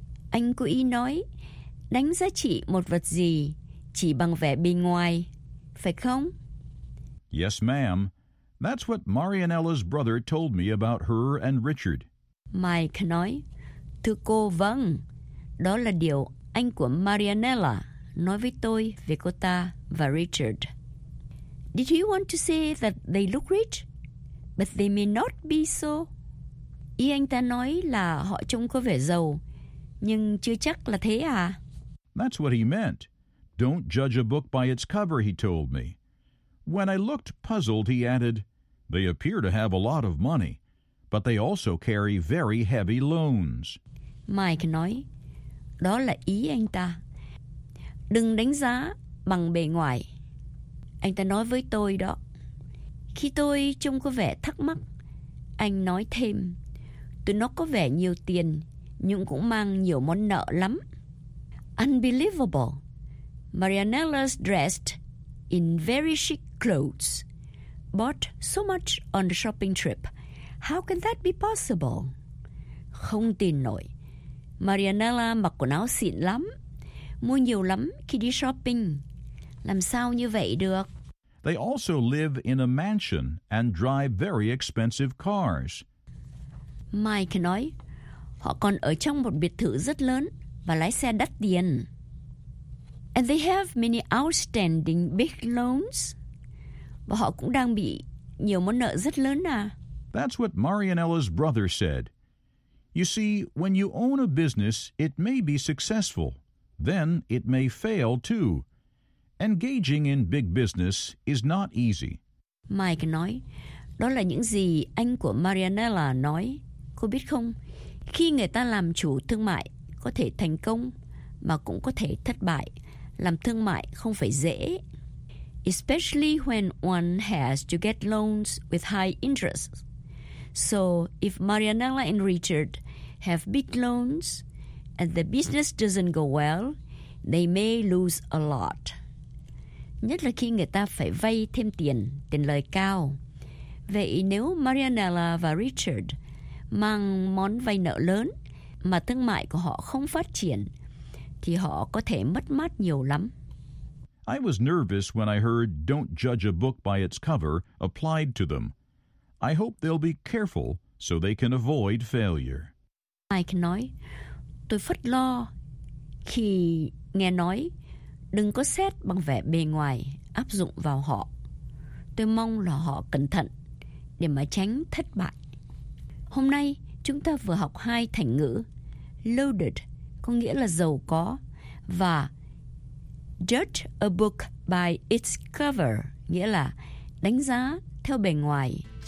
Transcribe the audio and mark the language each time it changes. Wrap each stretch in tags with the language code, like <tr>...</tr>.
<vi>Anh cố ý nói, đánh giá trị một vật gì chỉ bằng vẻ bề ngoài, phải không?</vi> <en>Yes, ma'am. That's what Marianella's brother told me about her and Richard.</en> <vi>Mike nói, thưa cô, vâng. Đó là điều anh của Marianella nói với tôi về cô ta và Richard.</vi> <en>Did he want to say that they look rich? But they may not be so.</en> <vi>Ý anh ta nói là họ trông có vẻ giàu, nhưng chưa chắc là thế à?</vi> <en>That's what he meant. Don't judge a book by its cover, he told me. When I looked puzzled, he added, they appear to have a lot of money, but they also carry very heavy loans.</en> <vi>Mike nói, đó là ý anh ta. Đừng đánh giá bằng bề ngoài. Anh ta nói với tôi đó. Khi tôi trông có vẻ thắc mắc, anh nói thêm, tụi nó có vẻ nhiều tiền, nhưng cũng mang nhiều món nợ lắm.</vi> <en>Unbelievable. Marianella's dressed in very chic clothes, bought so much on the shopping trip. How can that be possible?</en> <vi>Không tin nổi. Marianella mặc quần áo xịn lắm, mua nhiều lắm khi đi shopping. Làm sao như vậy được?</vi> <en>They also live in a mansion and drive very expensive cars.</en> <vi>Mike nói, họ còn ở trong một biệt thự rất lớn và lái xe đắt tiền.</vi> <en>And they have many outstanding big loans.</en> <vi>Và họ cũng đang bị nhiều món nợ rất lớn à.</vi> <en>That's what Marianella's brother said. You see, when you own a business, it may be successful. Then it may fail too. Engaging in big business is not easy.</en> <vi>Mike nói, đó là những gì anh của Marianella nói. Cô biết không, khi người ta làm chủ thương mại, có thể thành công mà cũng có thể thất bại. Làm thương mại không phải dễ.</vi> <en>Especially when one has to get loans with high interest. So if Marianella and Richard have big loans and the business doesn't go well, they may lose a lot.</en> <vi>Nhất là khi người ta phải vay thêm tiền, tiền lời cao. Vậy nếu Marianella và Richard mang món vay nợ lớn mà thương mại của họ không phát triển, thì họ có thể mất mát nhiều lắm.</vi> <en>I was nervous when I heard don't judge a book by its cover applied to them. I hope they'll be careful so they can avoid failure.</en> <vi>Mike nói, tôi phất lo khi nghe nói đừng có xét bằng vẻ bề ngoài áp dụng vào họ. Tôi mong là họ cẩn thận để mà tránh thất bại. Hôm nay chúng ta vừa học hai thành ngữ loaded có nghĩa là giàu có và</vi> <en>judge a book by its cover</en> <vi>nghĩa là đánh giá theo bề ngoài.</vi>